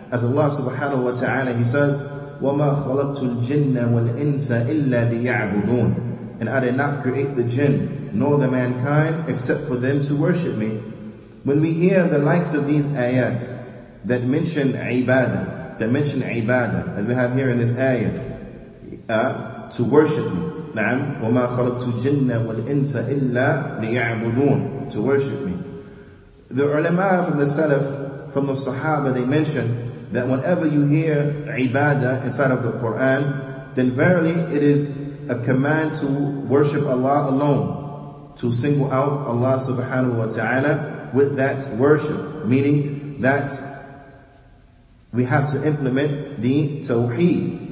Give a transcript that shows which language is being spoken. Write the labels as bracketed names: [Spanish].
[English] As Allah subhanahu wa ta'ala, He says, [Arabic] وَمَا خَلَقْتُ الْجِنَّ وَالْإِنسَ إِلَّا لِيَعْبُدُونَ [English] And I did not create the jinn, nor the mankind, except for them to worship me. When we hear the likes of these ayat that mention ibadah, that mention ibadah, as we have here in this ayat, to worship me. [Arabic] نعم وما خلقت الجن والإنس إلا ليعبدون, [English] to worship me. The ulama from the Salaf, from the Sahaba, they mention that whenever you hear ibadah inside of the Quran, then verily it is a command to worship Allah alone, to single out Allah subhanahu wa ta'ala with that worship, meaning that we have to implement the tawheed.